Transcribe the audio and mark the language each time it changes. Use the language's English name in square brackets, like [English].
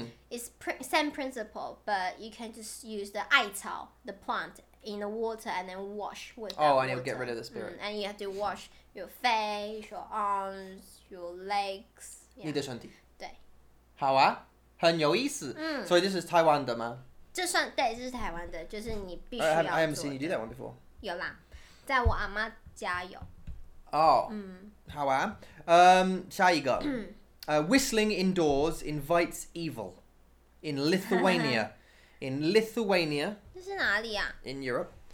[English] It's same principle, but you can just use the 艾草, the plant, in the water and then wash with that water. Oh, and it'll get rid of the spirit. And you have to wash your face, your arms, your legs. Yeah. [Chinese] 你的身体.好啊,很有意思. [English] So this is [Chinese] 台湾的吗? 这算,对,这是台湾的, 就是你必须要做的。 [English] I haven't seen you do that one before. [Chinese] 有啦, 在我阿妈家有。 [English] Oh, [Chinese] 好啊, 下一个。 [English] whistling indoors invites evil. In Lithuania. In Lithuania. [Chinese] 这是哪里啊? [English] In Europe.